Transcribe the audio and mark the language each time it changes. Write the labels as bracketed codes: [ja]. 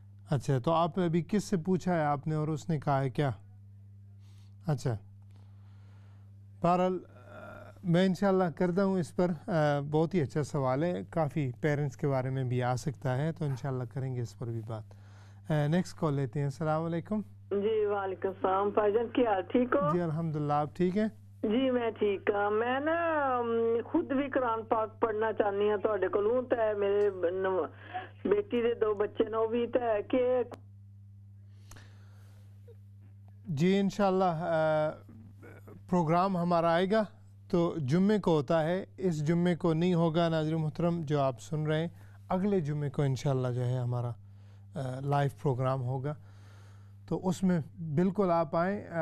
[ur] اچھا، تو آپ نے ابھی کس سے پوچھا ہے آپ نے اور اس نے کہا ہے کیا؟ اچھا، بہرحال میں انشاءاللہ کرتا ہوں اس پر. بہت ہی اچھا سوال ہے، کافی پیرنٹس کے بارے میں بھی آ سکتا ہے، تو انشاءاللہ کریں گے اس پر بھی بات. نیکسٹ کال لیتے ہیں. السلام علیکم. جی وعلیکم السلام فاجر، کیا حال؟ ٹھیک ہو؟ جی الحمدللہ، آپ ٹھیک ہیں؟ جی میں ٹھیک ہوں. [pa] میں نا خود بھی قرآن پاک پڑھنا چاہنی ہوں تہاڈے کولوں، تے میرے بیٹی دے دو بچے نو بھی، تے کہ [ur] جی انشاءاللہ پروگرام ہمارا آئے گا تو جمعے کو ہوتا ہے، اس جمعے کو نہیں ہوگا. ناظر محترم جو آپ سن رہے ہیں، اگلے جمعے کو انشاءاللہ جو ہے ہمارا لائیو پروگرام ہوگا، تو اس میں بالکل آپ آئیں.